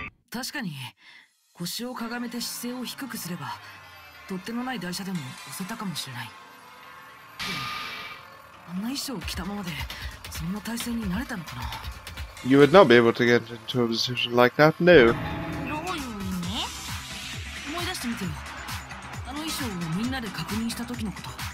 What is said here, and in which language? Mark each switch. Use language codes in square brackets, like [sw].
[ja] 確かに腰をかがめて姿勢を低くすれば取っ手のない台車でも押せたかもしれない。でもあんな衣装を着たままでそんな体勢になれたのかな。 [en] You would not be able to get into a position like that, no. [ja] どういう意味？思い出してみてよ。あの衣装をみんなで確認した時のこと。